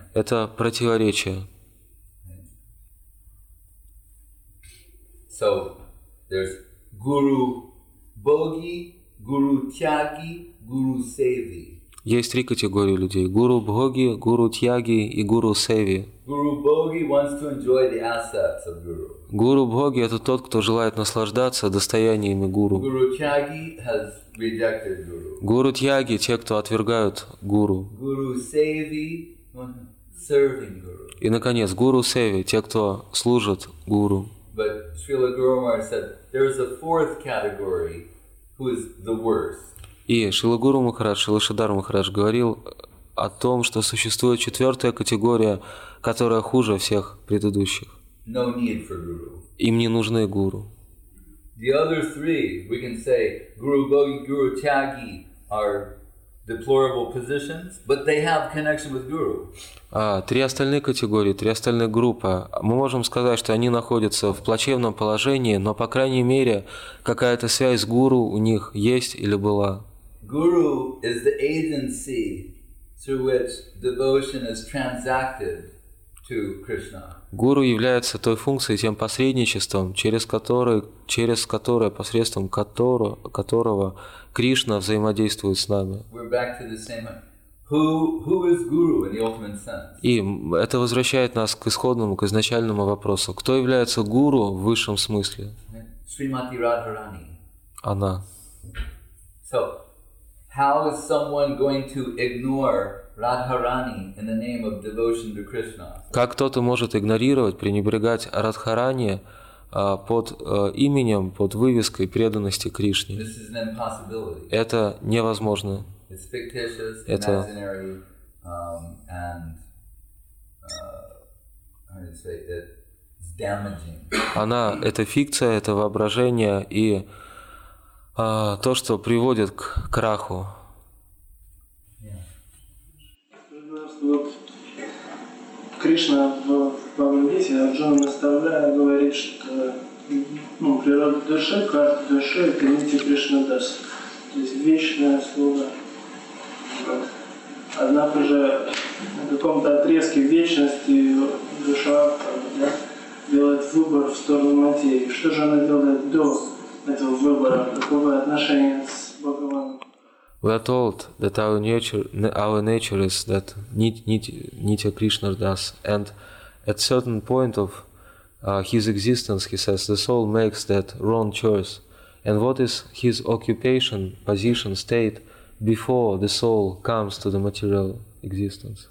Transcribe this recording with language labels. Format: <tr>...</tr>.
<ru>Это противоречие.</ru> <en>So there's guru bogi, guru tyagi, guru sevi.</en> <ru>Есть три категории людей: гуру боги, гуру тьяги и гуру севи.</ru> <en>Guru bogi wants to enjoy the assets of guru.</en> <ru>Гуру боги — это тот, кто желает наслаждаться достояниями гуру.</ru> <en>Guru tyagi has rejected guru.</en> <ru>Гуру тьяги — те, кто отвергают гуру.</ru> <en>Guru севи — serving guru.</en> <ru>И наконец, гуру севи — те, кто служит гуру.</ru> <en>But Srila Guru Maharaj said there is a fourth category who is the worst.</en> <ru>И Шрила Гуру Махарадж, Шрила Шридхара Махарадж говорил о том, что существует четвертая категория, которая хуже всех предыдущих.</ru> <en>No need for guru.</en> <ru>Им не нужны гуру.</ru> <en>The other three, we can say, guru bogi, guru tyagi, are deplorable positions, but they have connection with guru.</en> <ru>Три остальные категории, три остальные группы, мы можем сказать, что они находятся в плачевном положении, но, по крайней мере, какая-то связь с гуру у них есть или была.</ru> <en>Guru is the agency through which devotion is transacted to Krishna.</en> <ru>Guru является той функцией, тем посредничеством, через которое, посредством которого Кришна взаимодействует с нами.</ru> <en>We're back to the same. Who is guru in the ultimate sense?</en> <ru>И это возвращает нас к исходному, к изначальному вопросу. Кто является гуру в высшем смысле?</ru> <en>Srimati Radharani.</en> <ru>Она.</ru> <en>So, how is someone going to ignore Radharani in the name of devotion to Krishna?</en> <ru>Как кто-то может игнорировать, пренебрегать Радхарани под именем, под вывеской преданности Кришне?</ru> <en>This is an impossibility.</en> <ru>Это невозможно.</ru> <en>It's fictitious, imaginary, and how do you say it? It's damaging.</en> <ru>Она – это фикция, это воображение и то, что приводит к краху. Вот Кришна в Бхагавад-гите Арджуна наставляя говорит, что природа души, карта души, принятие Кришна даст. То есть вечная слуга. Однако же на каком-то отрезке вечности душа, делает выбор в сторону материи. Что же она делает до этого выбора? Какое отношение с Бхагаваном?</ru> <en>We are told that our nature is that Nitya Krishna does, and at certain point of his existence, he says, the soul makes that wrong choice. And what is his occupation, position, state before the soul comes to the material existence?</en>